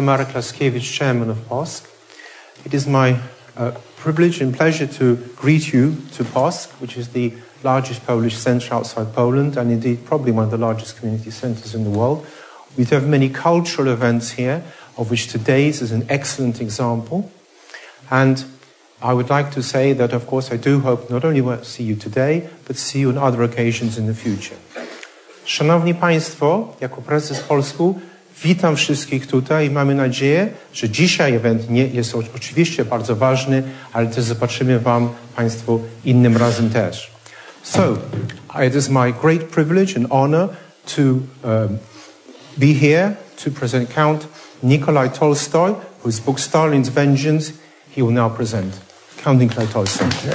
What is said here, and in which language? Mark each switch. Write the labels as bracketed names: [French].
[English] Marek Laskiewicz, Chairman of POSC, it is my privilege and pleasure to greet you to POSC, which is the largest Polish centre outside Poland, and indeed probably one of the largest community centres in the world. We have many cultural events here, of which today's is an excellent example. And I would like to say that, of course, I do hope not only to see you today, but see you on other occasions in the future. [Polish] Szanowni Państwo, jako prezes POSC-u, witam wszystkich tutaj i mamy nadzieję, że dzisiaj event nie jest oczywiście bardzo ważny, ale też zobaczymy Wam, Państwu, innym razem też. [English] So, it is my great privilege and honor to be here to present Count Nikolai Tolstoy, whose book Stalin's Vengeance he will now present. Count Nikolai Tolstoy.